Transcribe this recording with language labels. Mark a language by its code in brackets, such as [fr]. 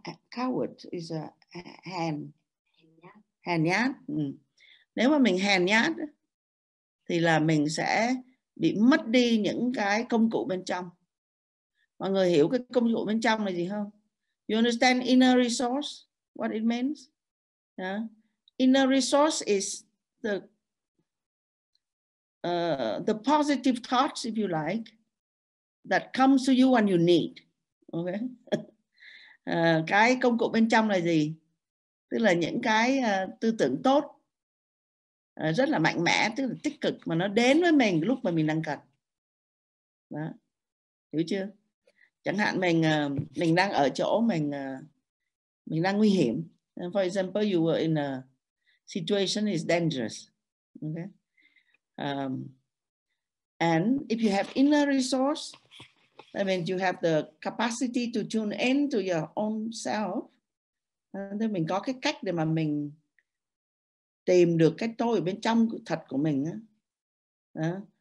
[en] Coward is a [vi] hèn nhát. Nếu mà mình hèn nhát thì là mình sẽ bị mất đi những cái công cụ bên trong. Mọi người hiểu cái công cụ bên trong là gì không? [en] You understand inner resource? What it means? Yeah. Inner resource is the positive thoughts, if you like, that comes to you when you need. Okay. [vi] Cái công cụ bên trong là gì? Tức là những cái tư tưởng tốt, rất là mạnh mẽ, tức là tích cực mà nó đến với mình lúc mà mình đang cần. Đó. Hiểu chưa? Chẳng hạn mình đang ở chỗ mình đang nguy hiểm. [en] For example, you were in a situation is dangerous. Okay. And if you have inner resource, that means you have the capacity to tune in to your own self. [vi] Thế mình có cái cách để mà mình tìm được cái tôi ở bên trong thật của mình á.